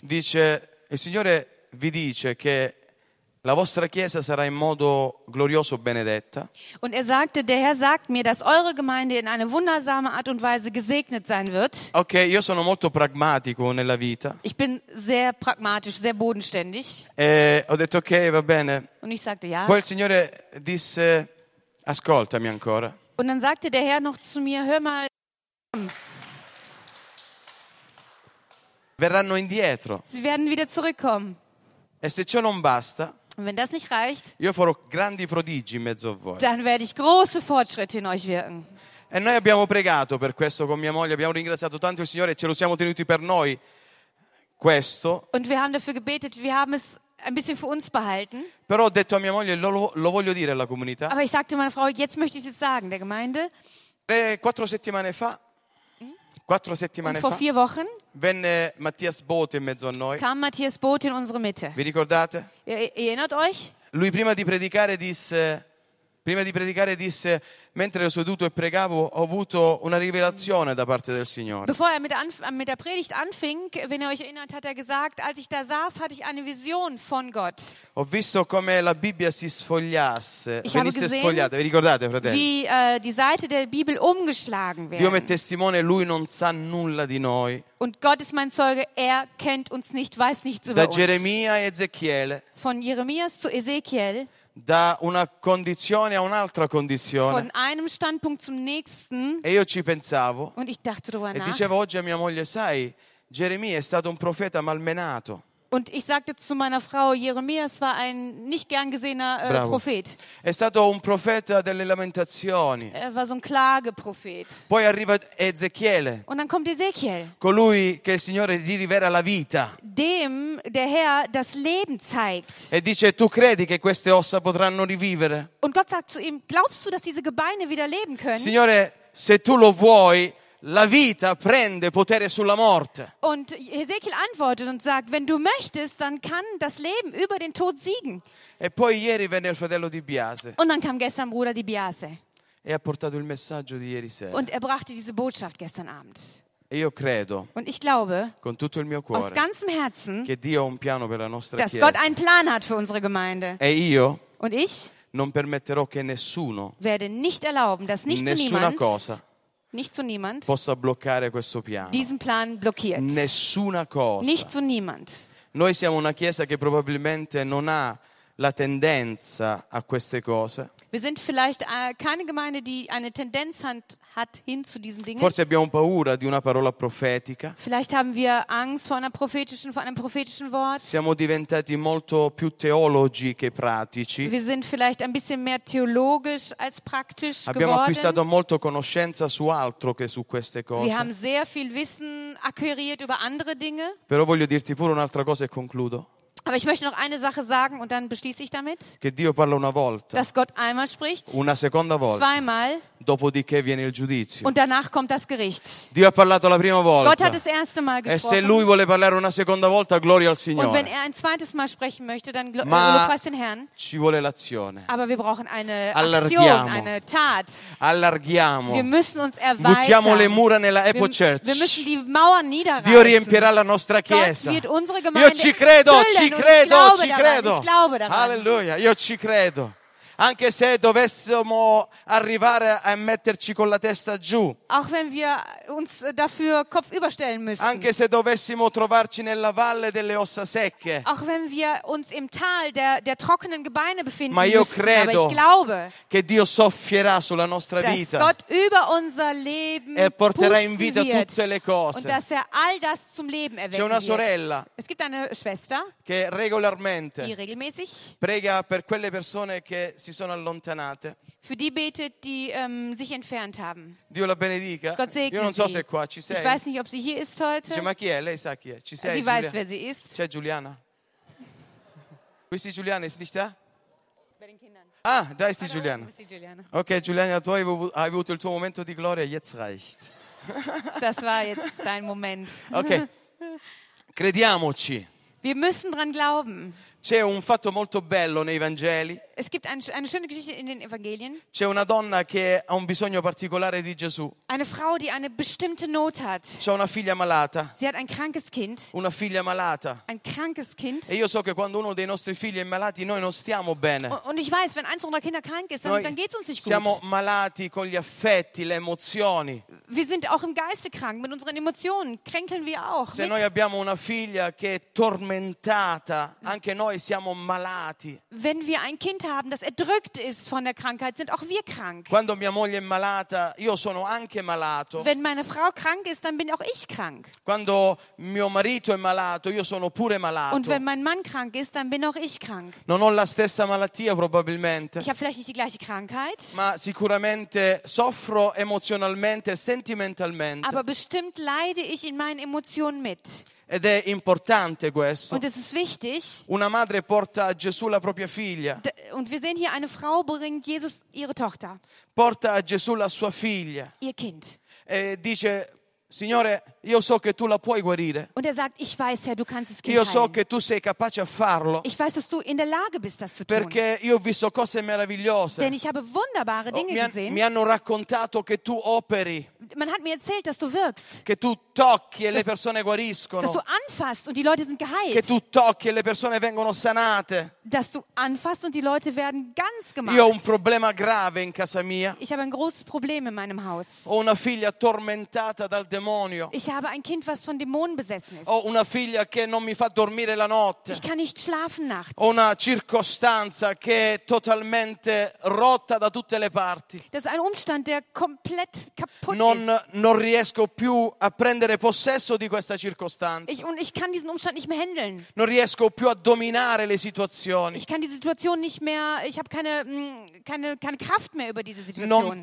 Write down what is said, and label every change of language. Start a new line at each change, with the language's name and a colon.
Italian: Dice, il Signore vi dice che la vostra chiesa sarà in modo glorioso benedetta.
German: Und er sagte, der Herr sagt mir, dass eure Gemeinde in eine wundersame Art und Weise gesegnet sein wird.
Italian: Okay, io sono molto pragmatico nella vita.
German: Ich bin sehr pragmatisch, sehr bodenständig.
Italian: E ho detto, okay, va bene.
German: Und ich sagte, ja.
Italian: Poi il Signore disse, ascoltami ancora.
German: Und dann sagte der Herr noch zu mir, hör mal.
Italian: Verranno indietro.
German: Sie werden wieder zurückkommen.
Italian: E se ciò non basta,
German: und wenn das nicht reicht,
Italian: io farò grandi prodigi in mezzo a voi.
German: Dann werde ich große Fortschritte in euch wirken.
Italian: E noi abbiamo pregato per questo con mia moglie, abbiamo ringraziato tanto il Signore e ce lo siamo tenuti per noi questo.
German: Und wir haben dafür gebetet, wir haben es ein bisschen für uns behalten.
Italian: Però ho detto a mia moglie, lo voglio dire alla comunità.
German: Aber ich sagte meiner Frau, jetzt möchte ich es sagen, der Gemeinde.
Italian: Quattro settimane fa,
German: vor vier Wochen,
Italian: venne Matthias Bote in mezzo a noi.
German: Kam Matthias Bote in unsere Mitte.
Italian: Vi ricordate?
German: Erinnert euch?
Italian: Lui prima di predicare disse, mentre ero seduto e pregavo, ho avuto una rivelazione da parte del Signore.
German: Bevor er mit der Predigt anfing, wenn ihr euch erinnert, hat er gesagt, als ich da saß, hatte ich eine Vision von Gott.
Italian: Ho visto come la Bibbia si sfogliasse, venisse sfogliata. Vi ricordate, fratelli?
German: Wie die Seite der Bibel umgeschlagen werden.
Italian: Dio mi è testimone, lui non sa nulla di noi.
German: Und Gott ist mein Zeuge, er kennt uns nicht, weiß nichts über uns.
Italian: Da Geremia e Ezechiele.
German: Von Jeremias zu Ezechiel.
Italian: da una condizione a un'altra condizione.
German: Von einem Standpunkt zum nächsten.
Italian: E io ci pensavo.
German: Und ich dachte darüber
Italian: e
German: nach.
Italian: Dicevo oggi a mia moglie, sai, Geremia è stato un profeta malmenato.
German: Und ich sagte zu meiner Frau, Jeremias war ein nicht gern gesehener Prophet.
Italian: È stato un profeta delle lamentazioni.
German: Er war so ein Klageprophet.
Italian: Poi arriva Ezechiele.
German: Und dann kommt Ezechiel.
Italian: Colui che il Signore gli rivela la vita.
German: Dem der Herr das Leben zeigt.
Italian: E dice, tu credi che queste ossa potranno rivivere?
German: Und Gott sagt zu ihm, glaubst du, dass diese Gebeine wieder leben können?
Italian: Signore, se tu lo vuoi, la vita prende potere sulla morte.
German: Und Ezechiel antwortet und sagt, wenn du möchtest, dann kann das Leben über den Tod siegen.
Italian: E poi ieri venne il fratello Di Biase.
German: Und dann kam gestern Bruder Di Biase.
Italian: E ha portato il messaggio di ieri sera.
German: Und er brachte diese Botschaft gestern Abend.
Italian: E io credo.
German: Und ich glaube.
Italian: Con tutto il mio cuore.
German: Aus ganzem Herzen.
Italian: Che Dio ha un piano per la nostra
German: dass
Italian: chiesa.
German: Dass Gott einen Plan hat für unsere Gemeinde.
Italian: E io.
German: Und ich.
Italian: Non permetterò che nessuno.
German: Werde nicht erlauben, dass nicht
Italian: nessuna
German: niemand,
Italian: cosa.
German: Nicht zu niemand.
Italian: Possa bloccare questo piano.
German: Diesen Plan blockiert.
Italian: Nessuna cosa.
German: Nicht zu niemand.
Italian: Noi siamo una chiesa che probabilmente non ha la tendenza a queste cose.
German: Wir sind vielleicht keine Gemeinde, die eine Tendenz hat hin zu diesen Dingen.
Italian: Forse abbiamo paura di una parola profetica.
German: Vielleicht haben wir Angst vor einer prophetischen, vor einem prophetischen Wort.
Italian: Siamo diventati molto più teologi che pratici.
German: Wir sind vielleicht ein bisschen mehr theologisch als praktisch geworden.
Italian: Abbiamo acquistato molto conoscenza su altro che su queste cose.
German: Wir haben sehr viel Wissen akquiriert über andere Dinge.
Italian: Però voglio dirti pure un'altra cosa e concludo.
German: Aber ich möchte noch eine Sache sagen und dann beschließe ich damit.
Italian: Che Dio parla una volta,
German: dass Gott einmal spricht.
Italian: Una seconda volta,
German: zweimal.
Italian: Dopodiché viene il giudizio.
German: Und danach kommt das Gericht.
Italian: Dio ha parlato la prima volta,
German: Gott hat das erste Mal gesprochen.
Italian: E se lui vuole parlare una seconda volta, gloria al Signore.
German: Und wenn er ein zweites Mal sprechen möchte, dann lobpreist den Herrn.
Italian: Ci vuole l'azione.
German: Aber wir brauchen eine
Italian: Allarghiamo.
German: Aktion, eine Tat.
Italian: Allarghiamo.
German: Wir müssen uns erweitern.
Italian: Buttiamo le mura nella Apple Church.
German: Wir müssen die Mauern niederreißen.
Italian: Dio riempirà la nostra chiesa.
German: Gott wird unsere Gemeinde.
Italian: Io ci credo.
German: Ich glaube daran. Ich glaube daran.
Italian: Halleluja, io ci credo. Anche se dovessimo arrivare a metterci con la testa giù.
German: Auch wenn wir uns dafür kopfüberstellen müssen.
Italian: Anche se dovessimo trovarci nella valle delle ossa secche.
German: Auch wenn wir uns im Tal der trockenen Gebeine befinden
Italian: Ma io
German: müssen.
Italian: Credo
German: aber ich glaube,
Italian: che Dio soffierà sulla nostra vita.
German: Dass Gott über unser Leben
Italian: e porterà in vita tutte le cose.
German: Und dass er all das zum Leben erwecken
Italian: C'è una sorella.
German: Es gibt eine Schwester.
Italian: Che regolarmente.
German: Die regelmäßig.
Italian: Prega per quelle persone che si sono allontanate.
German: Für die betet, die sich entfernt haben.
Italian: Dio la benedica.
German: Gott segne
Italian: Io non so
German: sie.
Italian: Se qua ci sei.
German: Ich weiß nicht, ob sie hier ist heute.
Italian: Dice, ma chi è? Lei sa chi è. Ci sei,
German: sie
Italian: Giulia.
German: Weiß, wer sie ist.
Italian: C'è Giuliana? Qui si
German: Giuliana, ist nicht da? Bei den Kindern. Ah, da ist die Giuliana. Hallo, ich bin Giuliana.
Italian: Okay, Giuliana, tu hai avuto il tuo momento di gloria,
German: jetzt reicht. Das war jetzt dein Moment.
Italian: Okay, crediamoci.
German: Wir müssen dran glauben.
Italian: C'è un fatto molto bello nei Vangeli.
German: Es gibt eine schöne Geschichte in den Evangelien.
Italian: C'è una donna che ha un bisogno particolare di Gesù.
German: Eine Frau, die eine bestimmte Not hat.
Italian: C'è una figlia malata.
German: Sie hat ein krankes Kind.
Italian: Una figlia malata.
German: Ein krankes Kind.
Italian: E io so che quando uno dei nostri figli è malato, noi non stiamo bene.
German: Und ich weiß, wenn eins unserer Kinder krank ist, dann geht's uns nicht gut.
Italian: Siamo malati con gli affetti, le emozioni.
German: Wir sind auch im Geiste krank, mit unseren Emotionen kränkeln wir auch.
Italian: Se noi abbiamo una figlia che è tormentata, anche noi siamo malati.
German: Wenn wir ein Kind haben, das erdrückt ist von der Krankheit, sind auch wir krank.
Italian: Quando mia moglie è malata, io sono anche malato.
German: Wenn meine Frau krank ist, dann bin auch ich krank.
Italian: Quando mio marito è malato, io sono pure malato.
German: Und wenn mein Mann krank ist, dann bin auch ich krank.
Italian: Non ho la stessa malattia probabilmente.
German: Ich habe vielleicht nicht die gleiche Krankheit.
Italian: Ma sicuramente soffro emozionalmente e sentimentalmente.
German: Aber bestimmt leide ich in meinen Emotionen mit.
Italian: Ed è importante questo.
German: Und es ist wichtig.
Italian: Una madre porta a Gesù la propria figlia.
German: Und wir sehen hier eine Frau bringt Jesus ihre Tochter.
Italian: Porta a Gesù la sua figlia.
German: Ihr Kind.
Italian: E dice Signore, io so che tu la puoi guarire.
German: Und er sagt, ich weiß ja, du kannst es heilen.
Italian: Io so che tu sei capace a farlo.
German: Ich weiß, dass du in der Lage bist, das zu tun.
Italian: Perché io ho visto cose meravigliose.
German: Denn ich habe wunderbare Dinge gesehen.
Italian: Mi hanno raccontato che tu operi.
German: man hat mir erzählt, dass du wirkst.
Italian: Che tu tocchi e le persone guariscono.
German: Dass du anfasst und die Leute sind geheilt.
Italian: Che tu tocchi e le persone vengono sanate.
German: Dass du anfasst und die Leute werden ganz gemacht.
Italian: Io ho un problema grave in casa mia.
German: Ich habe ein großes Problem in meinem Haus.
Italian: Ho una figlia tormentata dal demonio.
German: Ich habe ein Kind, was von Dämonen besessen ist.
Italian: Ho una figlia che non mi fa dormire la notte.
German: Ich kann nicht schlafen nachts.
Italian: Ho una circostanza che è totalmente rotta da tutte le parti.
German: Das ist ein Umstand, der komplett kaputt
Italian: non riesco più a prendere possesso di questa circostanza.
German: Ich kann diesen Umstand nicht mehr handeln.
Italian: Non riesco più a dominare le situazioni.
German: Ich kann die Situation nicht mehr, ich habe keine Kraft mehr über diese Situation.